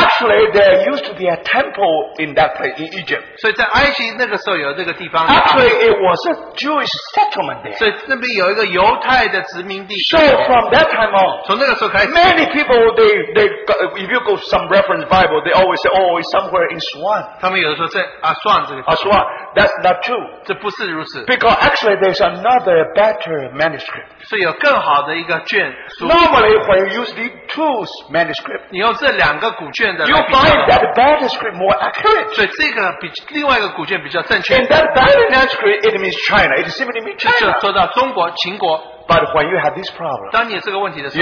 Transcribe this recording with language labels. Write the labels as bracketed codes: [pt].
[en] actually, there used to be a temple in that place in Egypt. [zh] 所以在埃及那个时候有这个地方, [en] actually, it was a Jewish settlement there. [zh] 所以那边有一个犹太的殖民地, [en] so from that time on, [zh] 从那个时候开始, [en] many people, they if you go some reference Bible, they always say, oh, it's somewhere in Swan. [zh] 他们有的时候在阿算这个地方, [en] Aswan. That's not true. [zh] 这不是如此, [en] because actually there's another better manuscript. [zh] 是有更好的一个卷, [en] normally when you use the two manuscripts, [zh] 你用这两个古卷的, [en] you find that the better script more accurate. [zh] 所以这个比, 另外一个古卷比较正确, [en] in that better manuscript, it means China. It simply means China. [zh] 就说到中国, 秦国, [en] but when you have this problem, [zh] 当你有这个问题的时候,